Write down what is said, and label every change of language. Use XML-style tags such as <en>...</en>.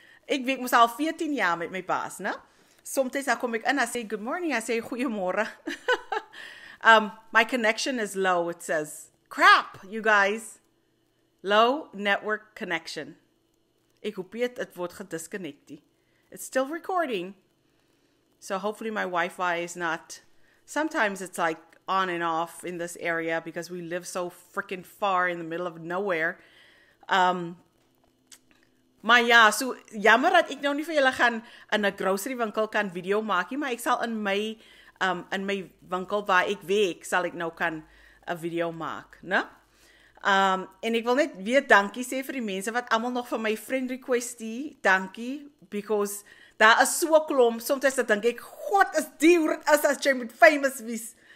<af>Ek werk mos al 14 jaar met my baas, né? Soms dan kom ek in en sê good morning, hy sê goeiemôre.</af> <en>My connection is low, it says. Crap, you guys. Low network connection.</en> <af>Ek hoop dit word gedisconnecte.</af> <en>It's still recording. So hopefully my Wi-Fi is not. Sometimes it's like on and off in this area because we live so freaking far in the middle of nowhere.</en> <af>Maar ja, so jammer dat ek nou nie vir julle gaan in 'n grocery winkel kan video maak nie, maar ek sal in my winkel waar ek werk, sal ek nou kan 'n video maak, né? En ek wil net weer dankie sê vir die mense wat almal nog vir my friend requestie, dankie because daar is so klomp, soms dan dink ek God is duur as jy moet famous wees.</af>